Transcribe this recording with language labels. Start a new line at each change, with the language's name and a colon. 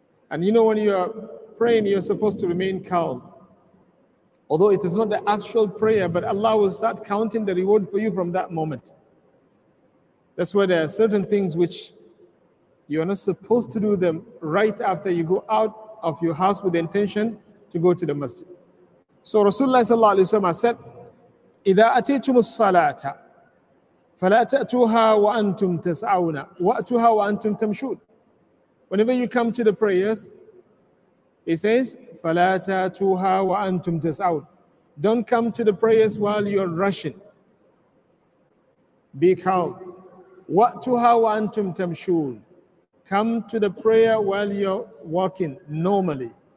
English: And you know, when you are praying, you're supposed to remain calm. Although it is not the actual prayer, but Allah will start counting the reward for you from that moment. That's where there are certain things which you are not supposed to do them right after you go out of your house with the intention to go to the masjid. So Rasulullah sallallahu alayhi wa sallam said,
Arabic: إِذَا أَتَيْتُمُ الصَّلَاةَ فَلَا تَأْتُوهَا وَأَنْتُمْ تَسْعَوْنَ وَأْتُوهَا وَأَنْتُمْ تَمْشُونَ.
English: Whenever you come to the prayers, he says,
Arabic: فَلَا تَأْتُوهَا وَأَنْتُمْ تَسْعَوْنَ.
English: Don't come to the prayers while you're rushing. Be calm.
Arabic: وَأْتُوهَا وَأَنْتُمْ تَمْشُونَ.
English: Come to the prayer while you're walking normally.